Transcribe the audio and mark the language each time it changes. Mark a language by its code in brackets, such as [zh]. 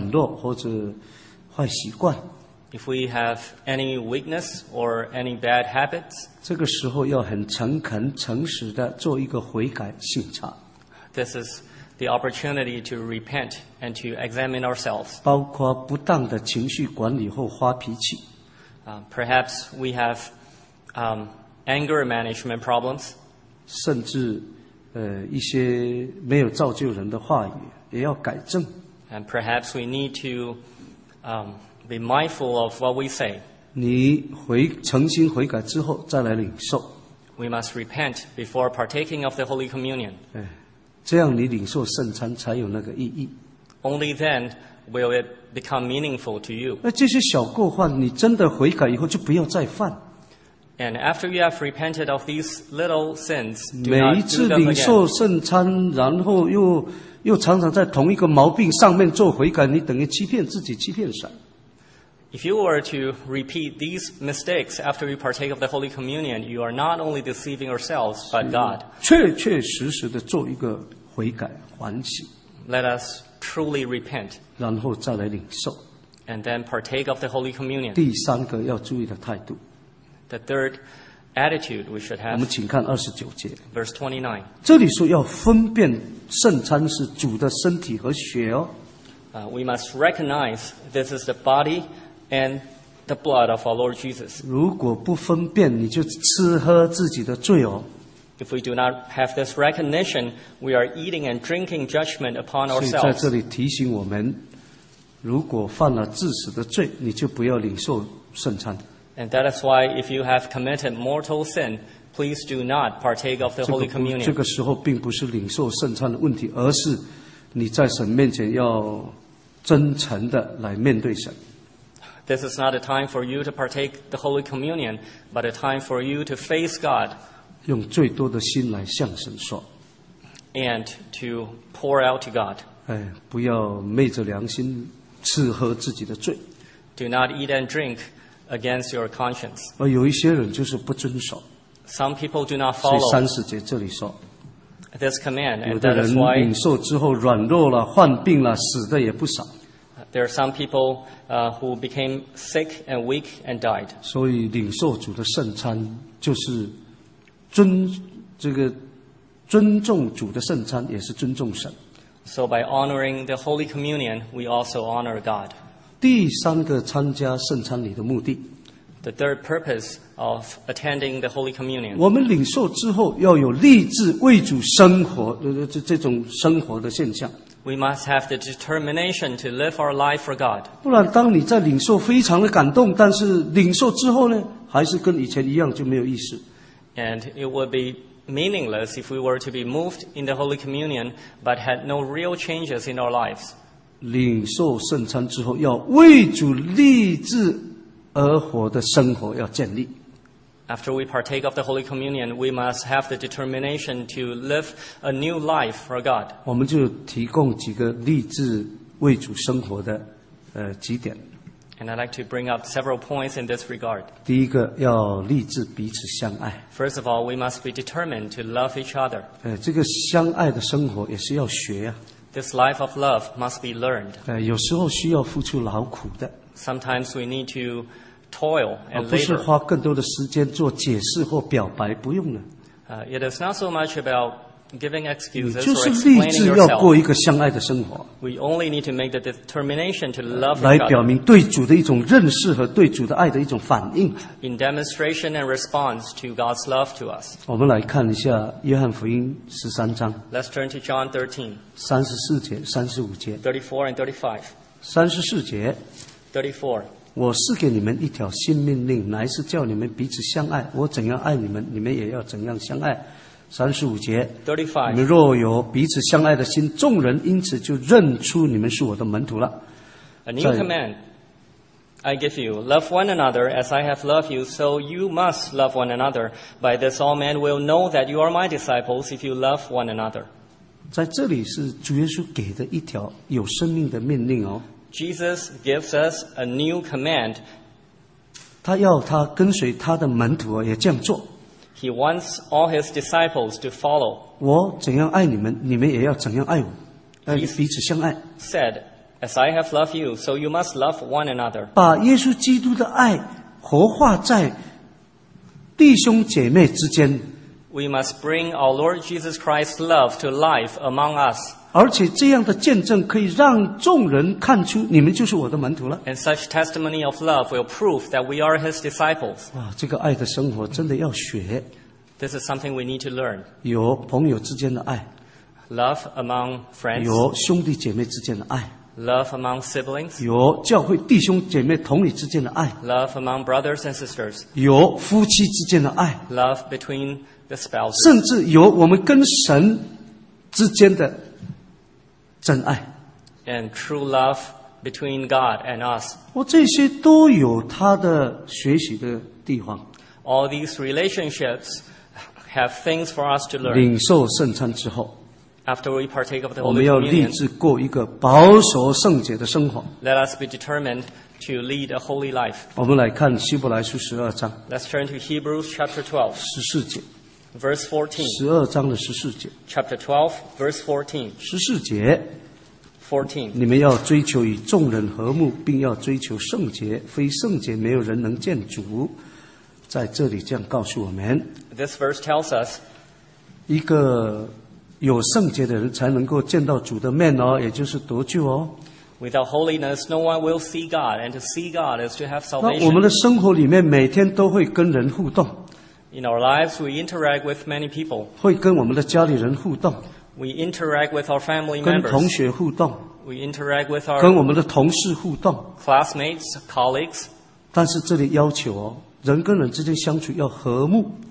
[zh] 如果您发现有一些软弱或者坏习惯, [en] if we have any weakness or any bad habits, [zh] 这个时候要很诚恳、诚实地做一个悔改、省察。 [en] This is the opportunity to repent and to examine ourselves. [zh] 包括不当的情绪管理或发脾气。 [en] Perhaps we have anger management problems. [zh] 甚至一些没有造就人的话语也要改正。 [en] And perhaps we need to be mindful of what we say. [zh] 你回诚心悔改之后再来领受。 [en] We must repent before partaking of the Holy Communion. [zh] 这样你领受圣餐才有那个意义。 [en] Only then will it become meaningful to you. [zh] 这些小过犯你真的悔改以后就不要再犯。 [en] And after you have repented of these little sins, [zh] 每一次领受圣餐，然后又常常在同一个毛病上面做悔改，你等于欺骗自己，欺骗神。 [en] If you were to repeat these mistakes after you partake of the Holy Communion, you are not only deceiving yourselves but God. [zh] 确确实实的做一个悔改，欢喜。 [en] Let us truly repent. [zh] 然后再来领受。 [en] And then partake of the Holy Communion. [zh] 第三个要注意的态度。 [en] The third attitude we should have. [zh] 我们请看二十九节。 [en] Verse 29. [zh] 这里说要分辨圣餐是主的身体和血哦。 [en] We must recognize this is the body and the blood of our Lord Jesus. [zh] 如果不分辨，你就吃喝自己的罪哦。 [en] If we do not have this recognition, we are eating and drinking judgment upon ourselves. [zh] 所以在这里提醒我们，如果犯了致死的罪，你就不要领受圣餐。 [en] And that is why if you have committed mortal sin, please do not partake of the Holy Communion. [zh] 这个时候并不是领受圣餐的问题，而是你在神面前要真诚的来面对神。 [en] This is not a time for you to partake the Holy Communion, but a time for you to face God. [zh] 用最多的心来向神说。 [en] And to pour out to God. [zh] 不要昧着良心吃喝自己的罪。 [en] Do not eat and drink against your conscience. [zh] 而有一些人就是不遵守。 [en] Some people do not follow. [zh] 所以三十节这里说。 [en] This command, and [zh] 有的人领受之后软弱了，患病了，死的也不少。 [en] There are some people who became sick and weak and died. [zh] 所以领受主的圣餐就是尊这个尊重主的圣餐，也是尊重神。 [en] So by honoring the Holy Communion, we also honor God. [zh] 第三个参加圣餐礼的目的。 [en] The third purpose of attending the Holy Communion. [zh] 我们领受之后要有立志为主生活，这种生活的现象。 [en] We must have the determination to live our life for God. [zh] 不然，当你在领受非常的感动，但是领受之后呢，还是跟以前一样，就没有意思。 [en] And it would be meaningless if we were to be moved in the Holy Communion but had no real changes in our lives. [zh] 领受圣餐之后，要为主立志。而活的生活要建立。 [en] After we partake of the Holy Communion, we must have the determination to live a new life for God. [zh] 我们就提供几个立志为主生活的几点。 [en] And I'd like to bring up several points in this regard. [zh] 第一个要立志彼此相爱。 [en] First of all, we must be determined to love each other. [zh] 这个相爱的生活也是要学啊。 [en] This life of love must be learned. [zh] 有时候需要付出劳苦的。 [en] Sometimes we need to toil and labor. [zh] 不是花更多的时间做解释或表白，不用了。 [en] It is not so much about giving excuses or explaining yourself. [zh] 你就是立志要过一个相爱的生活。 [en] We only need to make the determination to love God. [zh] 来表明对主的一种认识和对主的爱的一种反应。 [en] In demonstration and response to God's love to us. [zh] 我们来看一下约翰福音十三章。 [en] Let's turn to John 13. [zh] 三十四节、三十五节。 [en] 34 and 35. [zh] 三十四节。 [en] 34. [zh] 我是给你们一条新命令，乃是叫你们彼此相爱。我怎样爱你们，你们也要怎样相爱。 35节。 [en] 35. [zh] 你们若有彼此相爱的心，众人因此就认出你们是我的门徒了。 [en] A new command I give you. Love one another as I have loved you, so you must love one another. By this all men will know that you are my disciples if you love one another. [zh] 在这里是主耶稣给的一条有生命的命令哦。 [en] Jesus gives us a new command. [zh] 他要他跟随他的门徒也这样做。 [en] He wants all his disciples to follow. [zh] 我怎样爱你们，你们也要怎样爱我，彼此相爱。 [en] He said, "As I have loved you, so you must love one another." [zh] 把耶稣基督的爱活化在弟兄姐妹之间。 [en] We must bring our Lord Jesus Christ's love to life among us. [zh] 而且这样的见证可以让众人看出你们就是我的门徒了。 [en] And such testimony of love will prove that we are his disciples. [zh] 这个爱的生活真的要学。 [en] This is something we need to learn. [zh] 有朋友之间的爱。 [en] Love among friends. [zh] 有兄弟姐妹之间的爱。 [en] Love among siblings. [zh] 有教会弟兄姐妹同理之间的爱。 [en] Love among brothers and sisters. [zh] 有夫妻之间的爱。 [en] Love between the spouses. [zh] 甚至有我们跟神之间的真爱。 [en] And true love between God and us. [zh] 我这些都有他的学习的地方。 [en] All these relationships have things for us to learn. [zh] 领受圣餐之后。 [en] After we partake of the [zh] Holy Communion, 我们要立志过一个保守圣洁的生活。 [en] Let us be determined to lead a holy life. [zh] 我们来看希伯来书十二章。 [en] Let's turn to Hebrews chapter 12. [zh] 十四节。 [en] Verse 14. [zh] 十二章的十四节。 [en] Chapter 12, verse 14. [zh] 十四节。 [en] 14. [zh] 你们要追求与众人和睦，并要追求圣洁，非圣洁没有人能见主。在这里这样告诉我们。 [en] This verse tells us, [zh] 一个有圣洁的人才能够见到主的面哦，也就是得救哦。 [en] Without holiness, no one will see God, and to see God is to have salvation. [zh] 那我们的生活里面每天都会跟人互动。 [en] In our lives, we interact with many people. [zh] 会跟我们的家里人互动。 [en] We interact with our family members. [zh] 跟同学互动。 [en] We interact with our [zh] 跟我们的同事互动。 [en] Classmates, colleagues. [zh] 但是这里要求哦，人跟人之间相处要和睦。